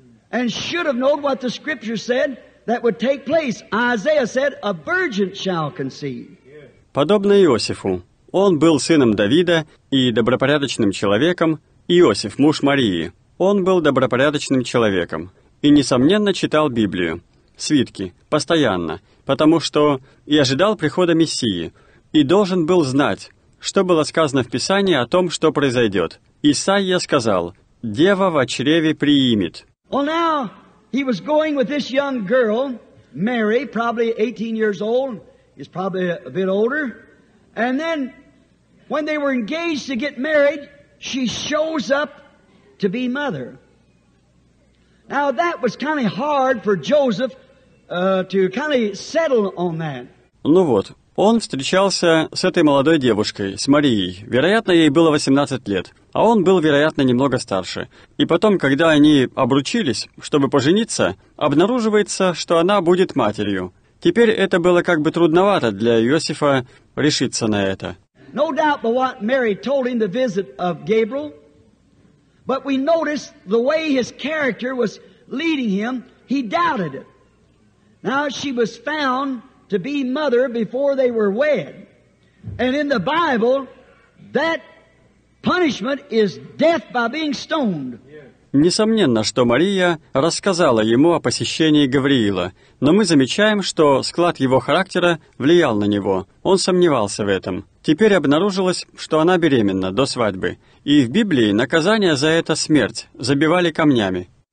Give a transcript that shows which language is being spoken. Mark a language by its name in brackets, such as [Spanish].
[English] And should have known what the Scripture said that would take place. Isaiah said, a virgin shall conceive. [Russian] Подобно Иосифу, он был сыном Давида и добропорядочным человеком, Иосиф, муж Марии. Он был добропорядочным человеком и, несомненно, читал Библию, свитки, постоянно, потому что и ожидал прихода Мессии, и должен был знать, что было сказано в Писании о том, что произойдет. Исаия сказал, «Дева во чреве приимет». [English] Well, now, he was going with this young girl, Mary, probably 18 years old, he's probably a bit older. And then, when they were engaged to get married, she shows up to be mother. Now, that was kind of hard for Joseph to kind of settle on that. [Russian] Ну вот. Он встречался с этой молодой девушкой, с Марией. Вероятно, ей было 18 лет, а он был, вероятно, немного старше. И потом, когда они обручились, чтобы пожениться, обнаруживается, что она будет матерью. Теперь это было как бы трудновато для Иосифа решиться на это. [English] No doubt about what Mary told him the visit of Gabriel, but we noticed the way his character was leading him, he doubted it. Now she was found to be mother before they were wed. And in the Bible, that punishment is death by being stoned. [Russian] Несомненно, что Мария рассказала ему о посещении Гавриила, но мы замечаем, что склад его характера влиял на него. Он сомневался в этом. Теперь обнаружилось, что она беременна до свадьбы. И в Библии наказание за это — смерть. Забивали камнями.